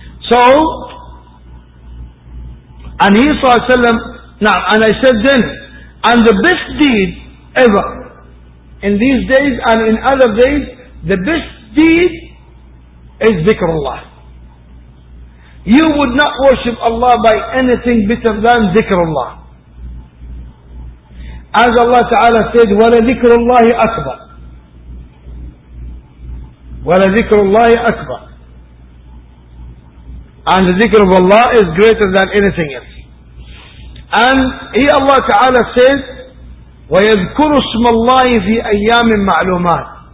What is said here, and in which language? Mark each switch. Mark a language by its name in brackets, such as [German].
[English] So, and he sallallahu alayhi wa sallam, now, and I said then, and the best deed ever in these days and in other days, the best deed is dhikrullah. You would not worship Allah by anything better than dhikrullah. As Allah Ta'ala said, [Arabic] وَلَا ذِكْرُ اللَّهِ أَكْبَرُ وَلَا ذِكْرُ اللَّهِ أَكْبَرُ. [English] And the dhikr of Allah is greater than anything else. And he, Allah Ta'ala said, [Arabic] وَيَذْكُرُ اسْمَ اللَّهِ فِي أَيَّامٍ مَعْلُومَاتٍ.